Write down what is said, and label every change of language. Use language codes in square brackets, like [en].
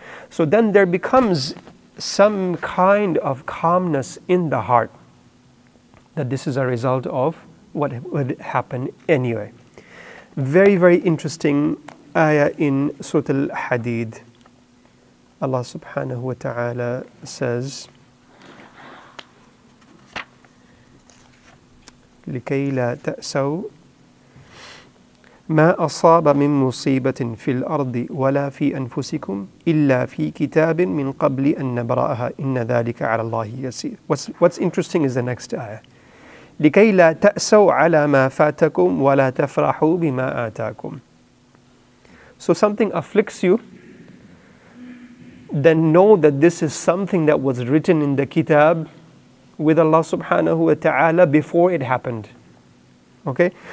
[en] So then there becomes some kind of calmness in the heart that this is a result of what would happen anyway. Very, very interesting ayah in Surah Al-Hadid. [ar] Allah subhanahu wa ta'ala says, لِكَيْ لَا تَأْسَوْ مَا أَصَابَ مِن مُصِيبَةٍ فِي الْأَرْضِ وَلَا فِي أَنفُسِكُمْ إِلَّا فِي كِتَابٍ مِن قَبْلِ أَن نَبْرَأَهَا إِنَّ ذَلِكَ عَلَى اللَّهِ يَسِيرٌ. [en] What's interesting is the next ayah. [ar] لِكَيْ لَا تَأْسَوْ عَلَى مَا فَاتَكُمْ وَلَا تَفْرَحُوا بِمَا آتَاكُمْ. [en] So something afflicts you, then know that this is something that was written in the kitab with Allah subhanahu wa ta'ala before it happened. Okay?